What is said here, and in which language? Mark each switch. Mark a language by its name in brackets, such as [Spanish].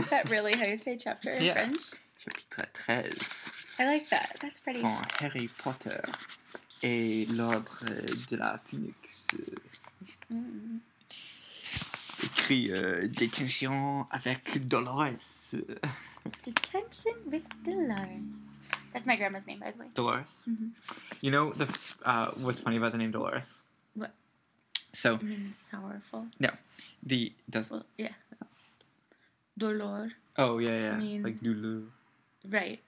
[English] Is that really how you say chapter in French? [French] Chapitre 13. [English] I like that. That's pretty. [French] Dans Harry Potter et l'ordre de la Phoenix. Écrit détention avec Dolores. [English] Detention with Dolores. That's my grandma's name, by the way. Dolores. Mm-hmm. You know the what's funny about the name Dolores? So, it means sorrowful. No. The does. Well, yeah. Dolor. Oh, yeah, yeah. Mean, like dolor. Right.